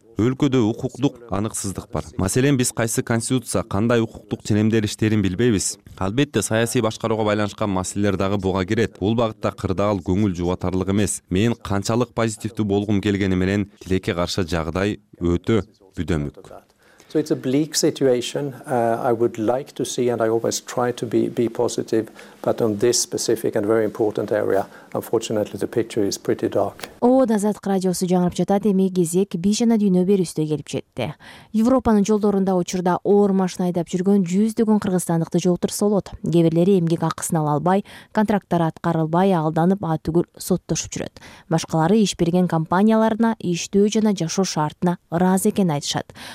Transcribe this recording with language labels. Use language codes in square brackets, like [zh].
[ky] Өлкөдө укуктук аныксыздык бар. Маселен, биз кайсы конституция, кандай укуктук ченемдер иштерин билбейбиз. Албетте, саясий башкарууга байланышкан маселелер дагы буга кирет. Бул багытта кырдаал көңүл жубатарлык эмес. Мен канчалык позитивдүү болгум келгени менен тилекке каршы жагдай өтө бүдөмүк. [en] So it's a bleak situation. I would like to see, and I always try to be positive, But on this specific and very important area, unfortunately, the picture is pretty dark. [ky] Ооо, Азат радиосу жаңырып жатат. Эми кезек бийшана дүйнө берүүсүнө келип жетти. Европанын жолдорунда учурда оор машина айдап жүргөн жүздөгөн кыргызстандыкты жолтурсолот. Кээ бирлери эмгек акысын ала албай, контракттары аткарылбай, алданып, атүгүл соттошуп жүрөт. Башкалары иш берген компанияларына иштөө жана жашоо шартына ыраазы экенин айтышат.